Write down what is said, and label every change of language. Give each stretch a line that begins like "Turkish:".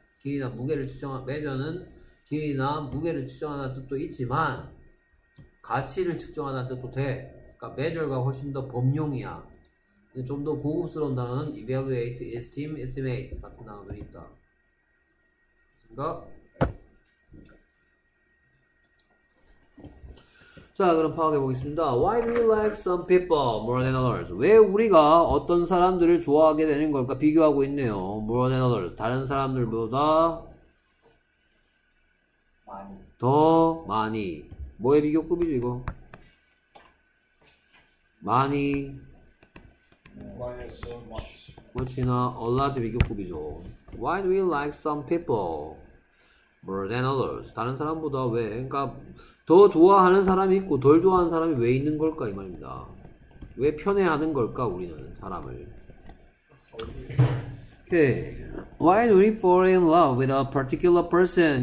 Korean: 길이나 무게를 측정한 measure는 길이나 무게를 측정하는 뜻도 있지만 가치를 측정하는 뜻도 돼. 그러니까 measure가 훨씬 더 범용이야. 좀 더 고급스러운 단어는 evaluate, esteem, estimate 같은 단어들이 있다. 자 그럼 파악해 보겠습니다.
English: Why we like some people more than others?
Korean: 왜 우리가 어떤 사람들을 좋아하게 되는 걸까? 비교하고 있네요.
English: More than others.
Korean: 다른 사람들보다 많이. 더 많이. 뭐의 비교급이죠 이거? 많이.
English: Why so much?
Korean: 그렇지나 a lot의 비교급이죠.
English: Why do we like some people more than others?
Korean: 다른 사람보다 왜? 그러니까 더 좋아하는 사람이 있고 덜 좋아하는 사람이 왜 있는 걸까 이 말입니다. 왜 편애하는 걸까 우리는 사람을?
English: Okay. Why do we fall in love with a particular person?